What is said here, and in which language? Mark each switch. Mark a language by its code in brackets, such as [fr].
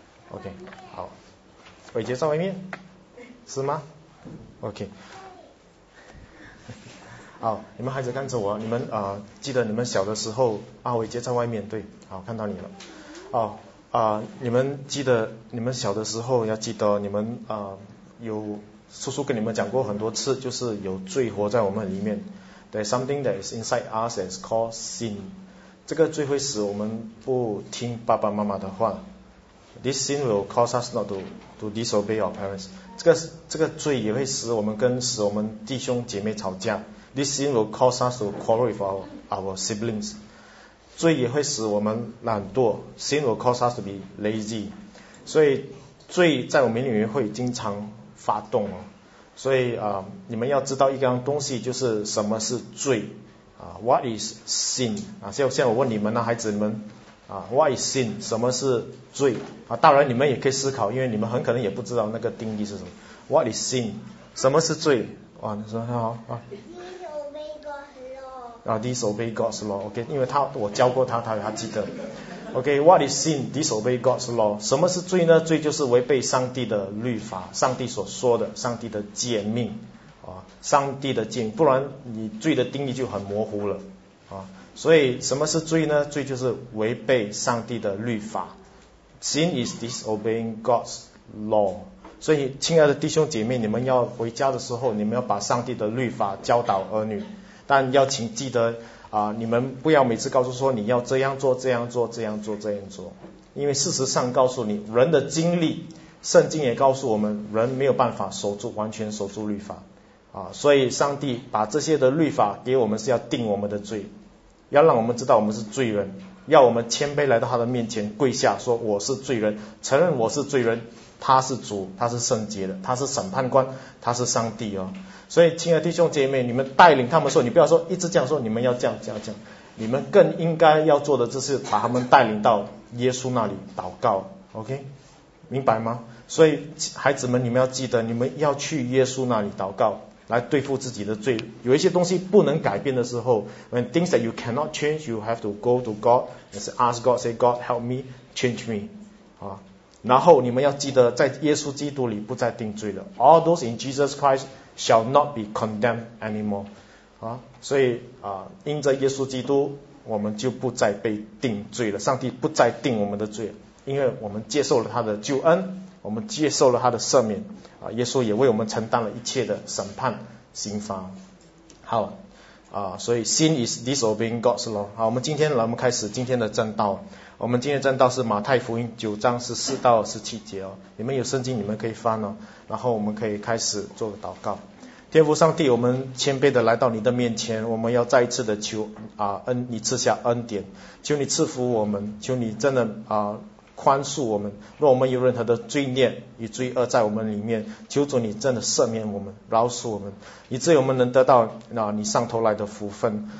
[zh] OK， 好，伟杰在外面，是吗 ？OK， 好，你们孩子看着我，你们啊，记得你们小的时候啊，伟杰在外面，对，好，看到你了。哦，啊，你们记得你们小的时候，要记得你们啊有。叔叔跟你们讲过很多次，就是有罪活在我们里面。 [en] There's something that is inside us that is called sin. [zh] 这个罪会使我们不听爸爸妈妈的话。 [en] This sin will cause us not to disobey our parents. [zh] 这个罪也会使我们跟使我们弟兄姐妹吵架。 [en] This sin will cause us to quarrel with our siblings. [zh] 罪也会使我们懒惰。 [en] Sin will cause us to be lazy. [zh] 所以罪在我们里面会经常发动哦，所以啊，你们要知道一样东西，就是什么是罪啊 ？ [en] What is sin [zh] 啊？像我问你们呢，孩子们啊 ， [en] What is sin？ [zh] 什么是罪啊？当然你们也可以思考，因为你们很可能也不知道那个定义是什么。 [en] What is sin？ [zh] 什么是罪？哇，你说很好啊。 [en] Disobey God's law。啊 ，disobey God's law。 [zh] OK， 因为我教过他，他记得。 [en] OK, what is sin? Disobey God's law. [zh] 什么是罪呢？罪就是违背上帝的律法，上帝所说的，上帝的诫命，啊，上帝的诫命，不然你罪的定义就很模糊了，啊，所以什么是罪呢？罪就是违背上帝的律法。 [en] Sin is disobeying God's law. [zh] 所以亲爱的弟兄姐妹，你们要回家的时候，你们要把上帝的律法教导儿女，但要请记得啊，你们不要每次告诉说你要这样做这样做这样做这样做，因为事实上告诉你，人的经历，圣经也告诉我们，人没有办法守住完全守住律法啊，所以上帝把这些的律法给我们是要定我们的罪，要让我们知道我们是罪人，要我们谦卑来到他的面前跪下说我是罪人，承认我是罪人，他是主，他是圣洁的，他是审判官，他是上帝哦。所以亲爱的弟兄姐妹，你们带领他们说，你不要说一直这样说，你们要这样这样这样，你们更应该要做的就是把他们带领到耶稣那里祷告， OK， 明白吗？所以孩子们，你们要记得，你们要去耶稣那里祷告，来对付自己的罪。有一些东西不能改变的时候， [en] When things that you cannot change, you have to go to God and ask God, say God help me, change me， 啊。 [zh] 然后你们要记得，在耶稣基督里不再定罪了。 [en] All those in Jesus Christ shall not be condemned anymore。 [zh] 啊，所以啊，因着耶稣基督，我们就不再被定罪了。上帝不再定我们的罪，因为我们接受了他的救恩，我们接受了他的赦免。啊，耶稣也为我们承担了一切的审判、刑罚。好，啊，所以 [en] sin is disobeying God's law。 [zh] 好，我们今天来，我们开始今天的正道。我们今天正道是马太福音9:14-17哦，你们有圣经你们可以翻哦，然后我们可以开始做个祷告。天父上帝，我们谦卑的来到你的面前，我们要再一次的求啊恩，你赐下恩典，求你赐福我们，求你真的啊宽恕我们，若我们有任何的罪孽与罪恶在我们里面，求主你真的赦免我们，饶恕我们，以致我们能得到啊你上头来的福分。